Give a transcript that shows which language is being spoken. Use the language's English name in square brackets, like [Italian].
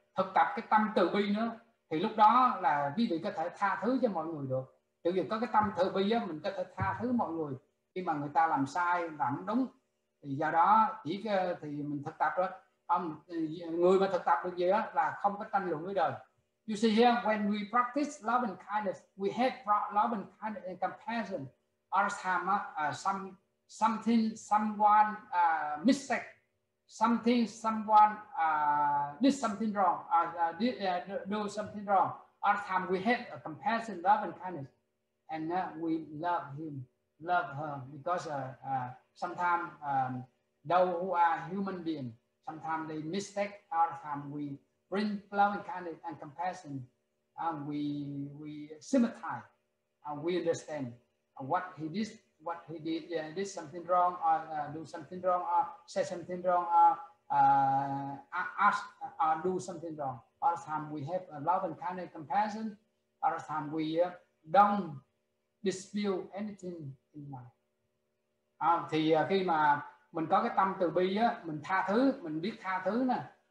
[Vietnamese] Thực tập cái tâm từ bi nữa thì lúc đó là quý vị có thể tha thứ cho mọi người được. Tự nhiên có cái tâm từ bi á, mình có thể tha thứ mọi người khi mà người ta làm sai, làm đúng. Thì do đó chỉ cái, thì mình thực tập đó, người mà thực tập được gì đó là không có tranh luận với đời. [English] You see here, when we practice love and kindness, we have brought love and kindness and compassion. Our time, someone mistake, do something wrong. Our time, we have a compassion, love and kindness, and we love him, love her, because sometimes those who are human beings, sometimes they mistake our time. We bring love and kindness and compassion, and we sympathize, and we understand what he did, did something wrong, or do something wrong, or say something wrong, or ask, or do something wrong. Our time we have love and kindness and compassion. Our time we don't dispute anything in life. [Vietnamese] Thì khi mà mình có cái tâm từ bi á, mình tha thứ, mình biết tha thứ nè.